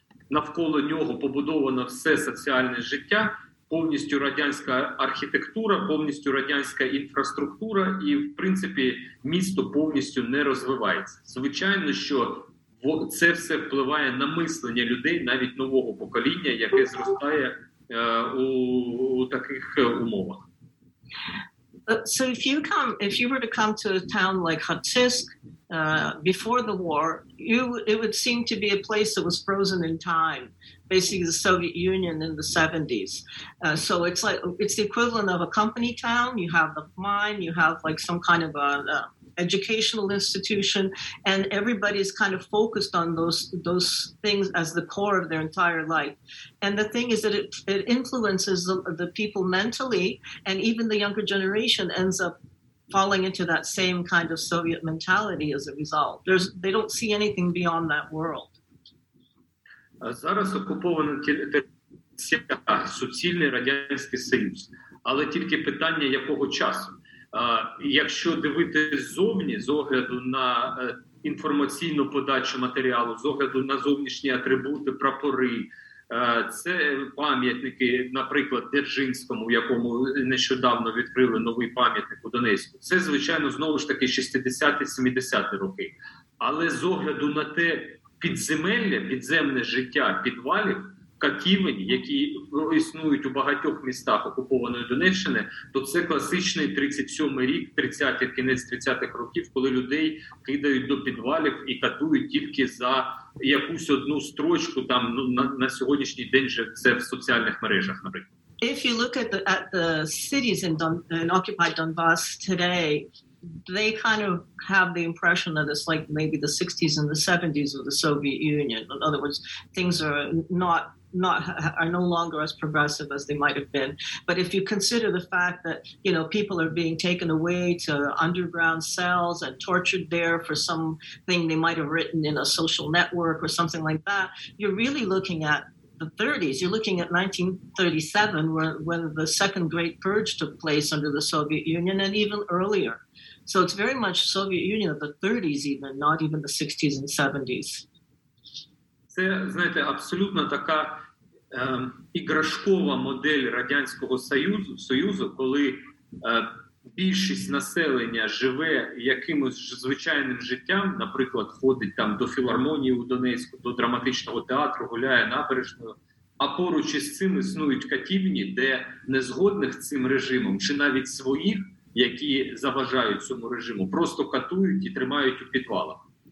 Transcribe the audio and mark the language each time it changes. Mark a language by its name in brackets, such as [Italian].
[Ukrainian] Навколо нього побудовано все соціальне життя, повністю радянська архітектура, повністю радянська інфраструктура, і, в принципі, місто повністю не розвивається. Звичайно, що це все впливає на мислення людей, навіть нового покоління, яке зростає у таких умовах. [English] So if you were to come to a town like Hatsisk before the war, it would seem to be a place that was frozen in time, basically the Soviet Union in the 70s. So it's like it's the equivalent of a company town. You have the mine, you have like some kind of a educational institution, and everybody is kind of focused on those things as the core of their entire life. And the thing is that it influences the people mentally, and even the younger generation ends up falling into that same kind of Soviet mentality as a result. They don't see anything beyond that world. [Ukrainian] Зараз окупована територія суцільний Радянський Союз, але тільки питання якого часу. Якщо дивитись ззовні, з огляду на інформаційну подачу матеріалу, з огляду на зовнішні атрибути, прапори, це пам'ятники, наприклад, Дзержинському, якому нещодавно відкрили новий пам'ятник у Донецьку, це, звичайно, знову ж таки 60-70-ті роки. Але з огляду на те підземелля, підземне життя підвалів, Катівень, які існують у багатьох містах окупованої Донеччини, то це класичний 37-й рік, 30-й, кінець 30-х років, коли людей кидають до підвалів і катують тільки за якусь одну строчку там, ну, на сьогоднішній день вже це в соціальних мережах, наприклад. [English] If you look at the cities in occupied Donbas today, they kind of have the impression that it's like maybe the 60s and the 70s of the Soviet Union. In other words, things are not no longer as progressive as they might have been. But if you consider the fact that, you know, people are being taken away to underground cells and tortured there for something they might have written in a social network or something like that, you're really looking at the 30s. You're looking at 1937, when the second great purge took place under the Soviet Union, and even earlier. So it's very much Soviet Union of the 30s, even, not even the 60s and 70s. [Ukrainian] Це, знаєте, абсолютно така іграшкова модель Радянського Союзу, коли більшість населення живе якимось звичайним життям, наприклад, ходить там до філармонії у Донецьку, до драматичного театру, гуляє набережною, а поруч із цим існують катівні, де незгодних цим режимом, чи навіть своїх, які заважають цьому режиму, просто катують і тримають у підвалах.